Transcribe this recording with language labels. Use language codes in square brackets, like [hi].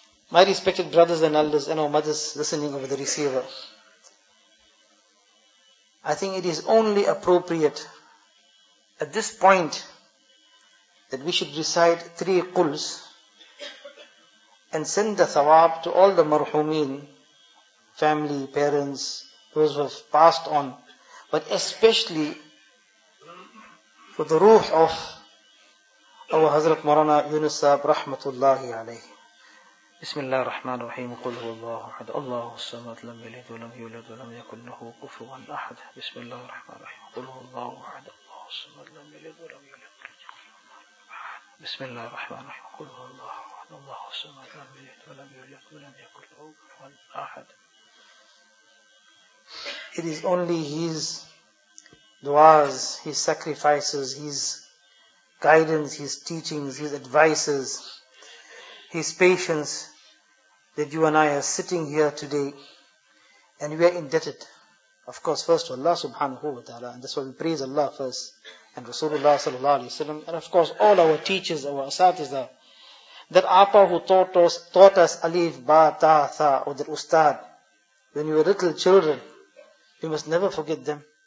[en] My respected brothers and elders and our mothers listening over the receiver, I think it is only appropriate at this point that we should recite 3 quls and send the thawab to all the marhumeen, family, parents, those who have passed on, but especially for the ruh of our Hazrat Marana Yunus Sahib Rahmatullahi Alayhi. [ar] بسم الله الرحمن الرحيم قل هو الله احد الله الصمد لم يلد ولم يولد ولم يكن له كفوا احد بسم الله الرحمن الرحيم قل هو الله احد الله الصمد لم يلد ولم يولد بسم الله الرحمن الرحيم قل هو الله احد الله الصمد لم يلد ولم يولد ولم يكن له كفوا احد. [en] It is only His du'as, His sacrifices, His guidance, His teachings, His advices, His patience, that you and I are sitting here today, and we are indebted, of course, first to Allah subhanahu wa ta'ala, and that's why we praise Allah first, and Rasulullah sallallahu alayhi wa sallam, and of course, all our teachers, our asatiza, that apa who taught us alif, ba, ta, tha, or that ustad, when we were little children, we must never forget them.